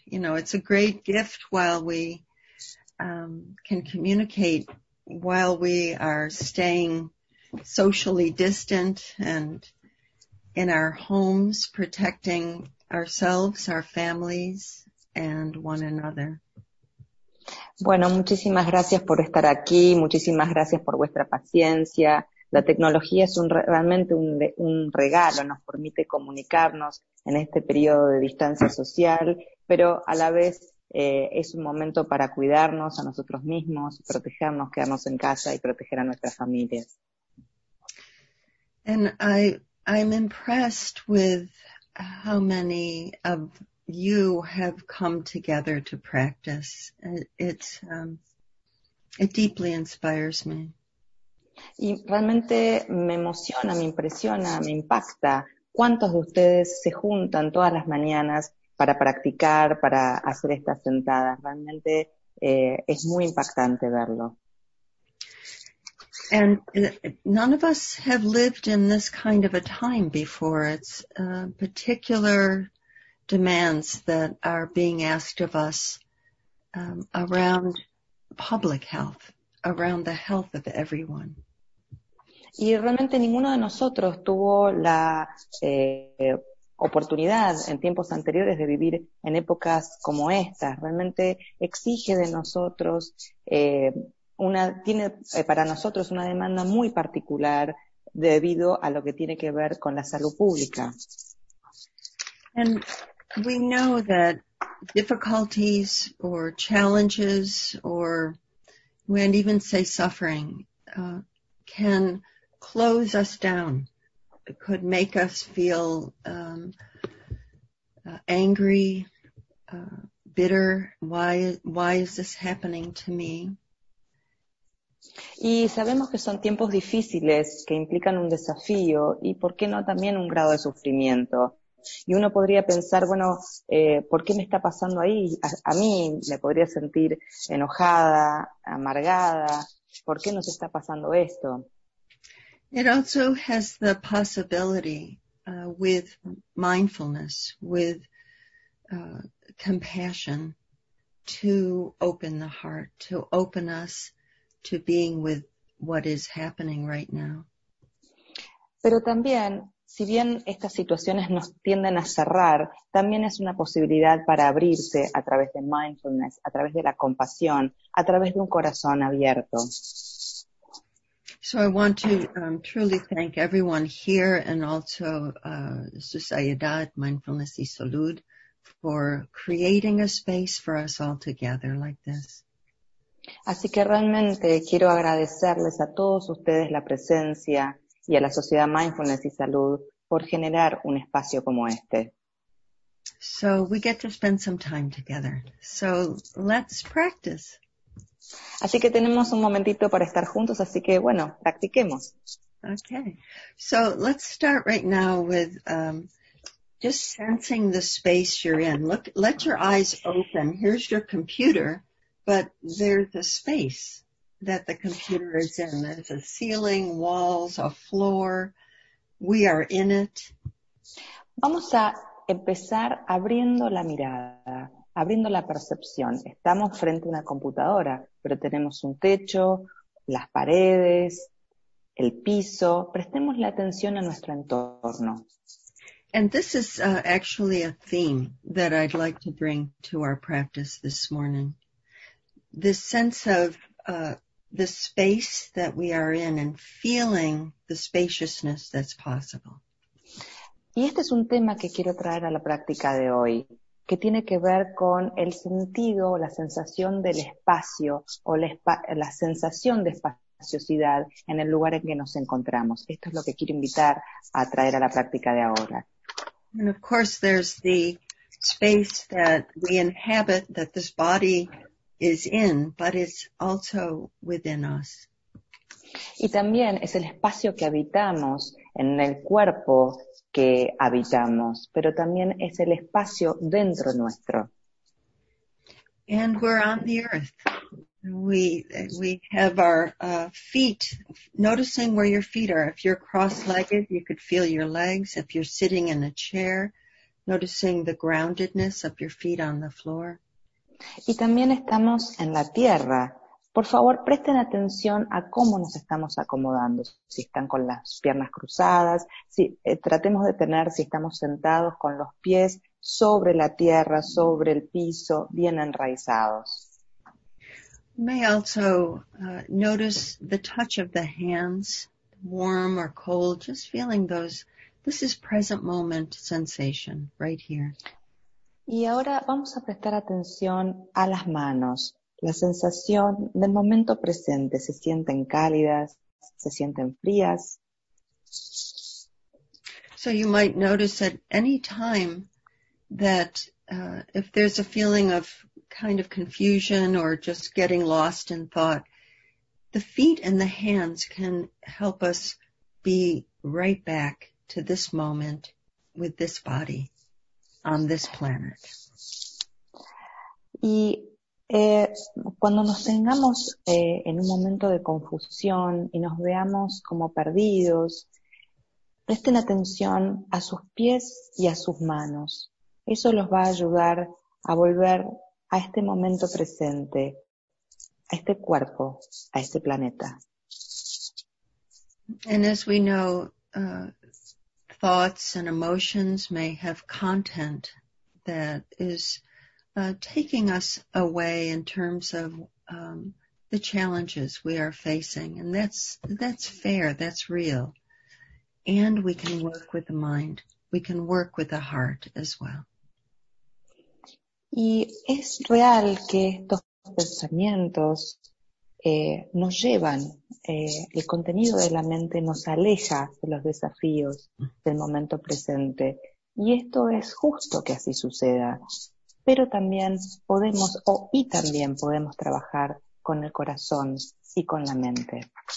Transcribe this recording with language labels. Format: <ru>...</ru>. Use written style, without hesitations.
<en>You know, it's a great gift while we can communicate, while we are staying socially distant and in our homes, protecting ourselves, our families, and one another.</en> <es>Bueno, muchísimas gracias por estar aquí, muchísimas gracias por vuestra paciencia. La tecnología es realmente un regalo, nos permite comunicarnos en este periodo de distancia social, pero a la vez es un momento para cuidarnos a nosotros mismos, protegernos, quedarnos en casa y proteger a nuestras familias.</es> <en>And I'm impressed with how many of you have come together to practice. It deeply inspires me.</en> <es>Y realmente me emociona, me impresiona, me impacta. ¿Cuántos de ustedes se juntan todas las mañanas para practicar, para hacer estas sentadas? Realmente es muy impactante verlo.</es> <en>And none of us have lived in this kind of a time before. It's particular demands that are being asked of us around public health, around the health of everyone.</en> <es>Y realmente ninguno de nosotros tuvo la oportunidad en tiempos anteriores de vivir en épocas como estas. Realmente exige de nosotros para nosotros una demanda muy particular debido a lo que tiene que ver con la salud pública.</es> <en>And we know that difficulties or challenges or we can even say suffering can close us down. It could make us feel angry, bitter. Why is this happening to me?</en> <es>Y sabemos que son tiempos difíciles que implican un desafío y, ¿por qué no?, también un grado de sufrimiento. Y uno podría pensar, bueno, ¿por qué me está pasando ahí? A mí me podría sentir enojada, amargada. ¿Por qué nos está pasando esto?</es> <en>It also has the possibility with mindfulness, with compassion, to open the heart, to open us to being with what is happening right now.</en> <es>Pero también, si bien estas situaciones nos tienden a cerrar, también es una posibilidad para abrirse a través de mindfulness, a través de la compasión, a través de un corazón abierto.</es> <en>So I want to truly thank everyone here and also Sociedad Mindfulness y Salud for creating a space for us all together like this.</en> <es>Así que realmente quiero agradecerles a todos ustedes la presencia y a la Sociedad Mindfulness y Salud por generar un espacio como este.</es> <en>So we get to spend some time together. So let's practice.</en> <es>Así que tenemos un momentito para estar juntos, así que bueno, practiquemos.</es> <en>Okay. So let's start right now with just sensing the space you're in. Look, let your eyes open. Here's your computer, but there's a space that the computer is in. There's a ceiling, walls, a floor. We are in it.</en> <es>Vamos a empezar abriendo la mirada. Abriendo la percepción, estamos frente a una computadora, pero tenemos un techo, las paredes, el piso. Prestemos la atención a nuestro entorno.</es> <en>And this is actually a theme that I'd like to bring to our practice this morning. This sense of the space that we are in and feeling the spaciousness that's possible.</en> <es>Y este es un tema que quiero traer a la práctica de hoy, que tiene que ver con el sentido o la sensación del espacio o la sensación de espaciosidad en el lugar en que nos encontramos. Esto es lo que quiero invitar a traer a la práctica de ahora.</es> <en>And of course there's the space that we inhabit, that this body is in, but it's also within us.</en> <es>Y también es el espacio que habitamos en el cuerpo que habitamos, pero también es el espacio dentro nuestro.</es> <en>And we're on the earth. We have our feet, noticing where your feet are. If you're cross-legged, you could feel your legs. If you're sitting in a chair, noticing the groundedness of your feet on the floor.</en> <es>Y también estamos en la tierra. Por favor, presten atención a cómo nos estamos acomodando. Si están con las piernas cruzadas, si tratemos de tener, si estamos sentados con los pies sobre la tierra, sobre el piso, bien enraizados.</es> <en>May also notice the touch of the hands, warm or cold, just feeling those. This is present moment sensation right here.</en> <es>Y ahora vamos a prestar atención a las manos. La sensación del momento presente, ¿se sienten cálidas? ¿Se sienten frías?</es> <en>So you might notice at any time that if there's a feeling of kind of confusion or just getting lost in thought, the feet and the hands can help us be right back to this moment with this body on this planet.</en> <es>Y cuando nos tengamos en un momento de confusión y nos veamos como perdidos, presten atención a sus pies y a sus manos. Eso los va a ayudar a volver a este momento presente, a este cuerpo, a este planeta.</es> <en>And as we know, thoughts and emotions may have content that is taking us away in terms of the challenges we are facing. And that's fair, that's real. And we can work with the mind. We can work with the heart as well.</en> <es>Y es real que estos pensamientos nos llevan, el contenido de la mente nos aleja de los desafíos del momento presente. Y esto es justo que así suceda. Pero también podemos, y también podemos trabajar con el corazón y con la mente.</es>